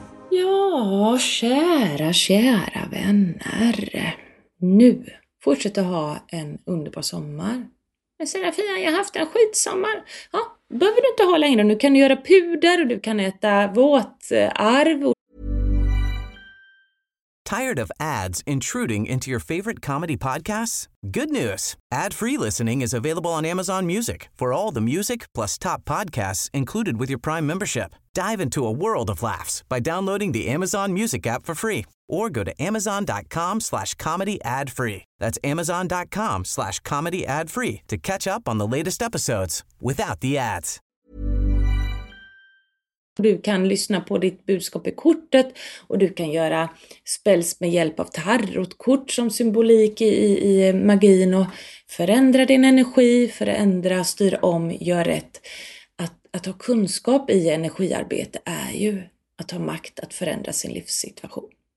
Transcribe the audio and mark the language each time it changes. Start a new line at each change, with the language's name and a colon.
Swedish: Ja, kära, kära vänner. Nu fortsätter ha en underbar sommar. Men Serafina, jag har haft en skitsommar. Ja, behöver du inte ha längre. Nu kan du göra puder och du kan äta våt arv.
English: Tired of ads intruding into your favorite comedy podcasts? Good news! Ad-free listening is available on Amazon Music for all the music plus top podcasts included with your Prime membership. Dive into a world of laughs by downloading the Amazon Music app for free or go to amazon.com/comedyadfree. That's amazon.com/comedyadfree to catch up on the latest episodes without the ads.
Swedish: Du kan lyssna på ditt budskap i kortet och du kan göra spells med hjälp av tarotkort som symbolik i magin och förändra din energi, förändra, styr om, gör rätt. Att ha kunskap i energiarbete är ju att ha makt att förändra sin livssituation.